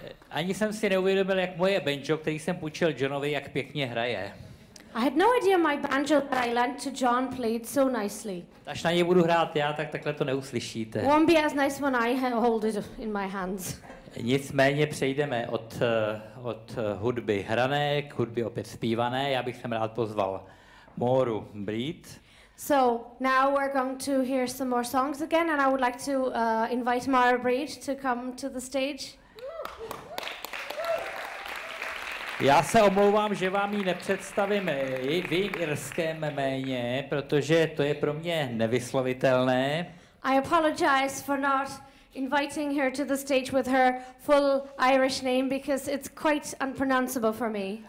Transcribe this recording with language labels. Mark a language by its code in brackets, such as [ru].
[cs] Ani jsem si neuvědomil, jak moje banjo, který jsem půjčil Johnovi, jak pěkně hraje. [en] I had no idea my banjo that I lent to John played so nicely. [cs] Až na něj budu hrát já, tak takhle to neuslyšíte. [en] It won't be as nice when I hold it in my hands. [cs] Nicméně přejdeme od hudby hrané k hudbě opět zpívané. Já bych sem rád pozval Moru Breed. [en] So now we're going to hear some more songs again, and I would like to invite Mara Breed to come to the stage. [cs] Já se omlouvám, že vám ji nepředstavím v jejím irském jméně, protože to je pro mě nevyslovitelné. [en] I apologize for not inviting her to the stage with her full Irish name because it's quite unpronounceable for me.